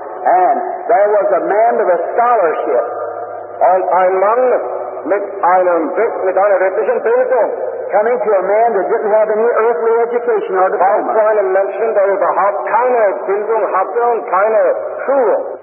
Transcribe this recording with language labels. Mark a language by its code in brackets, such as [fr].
[en] And there was a man with a scholarship. [de] Und ein Mann mit einer wirklichen Bildung. [en] Coming to a man that didn't have any earthly education or diploma. Paul mentioned that he had [de] keine Bildung hatte und keine Schule.